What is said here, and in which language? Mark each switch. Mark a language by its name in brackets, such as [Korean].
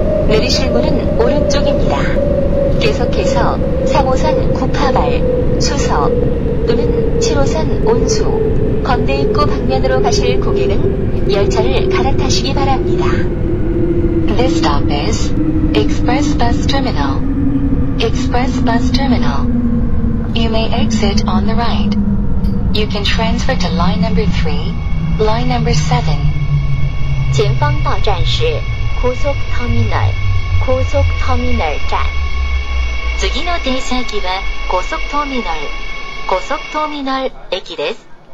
[Korean] 내리실 문은 오른쪽입니다. 계속해서 3호선 구파발, 수서 또는 7호선 온수, 건대입구 방면으로 가실 고객은 열차를 갈아타시기 바랍니다. [English] This stop is Express Bus Terminal. Express Bus Terminal. You may exit on the right. You can transfer to line number 3, line number 7. [Chinese] 前方到站是 고속터미널站。 [Japanese] 次の停車駅は 고속터미널, 고속터미널駅です。